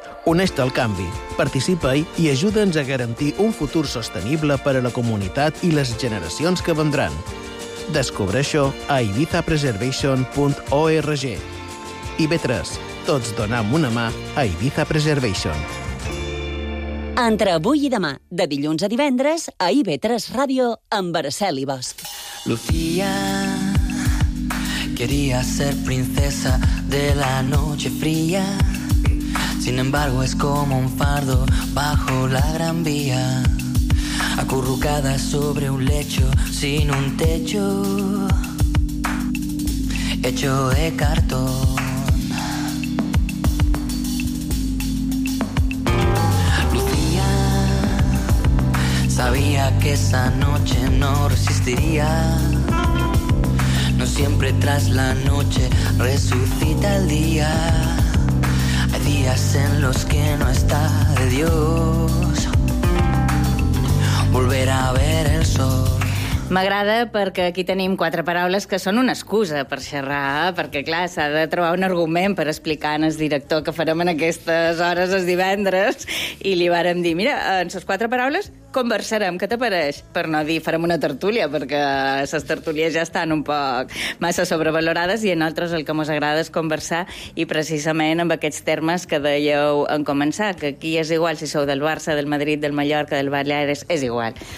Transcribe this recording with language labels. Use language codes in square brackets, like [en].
[ca] Uneix-te al canvi, participa-hi i ajuda'ns a garantir un futur sostenible per a la comunitat i les generacions que vendran. Descobreixo a ibizapreservation.org. IB3, tots donam una mà a Ibiza Preservation. Entre avui i demà, de dilluns a divendres, a IB3 Ràdio, amb Baracel·li Bosch. [es] Lucía quería ser princesa de la noche fría. Sin embargo, es como un fardo bajo la Gran Vía, acurrucada sobre un lecho sin un techo, hecho de cartón. Lucía sabía que esa noche no resistiría. No siempre tras la noche resucita el día. Días en los que no está de Dios volver a ver el sol. [ca] M'agrada perquè aquí tenim quatre paraules que són una excusa per xerrar, perquè clar, s'ha de trobar un argument per explicar al director que farem en aquestes hores els divendres, i li vàrem dir, mira, en les quatre paraules conversarem, què t'apareix? Per no dir farem una tertúlia, perquè les tertúlies ja estan un poc massa sobrevalorades, i a nosaltres el que ens agrada és conversar, i precisament amb aquests termes que dèieu en començar, que aquí és igual si sou del Barça, del Madrid, del Mallorca, del Baleares, és igual.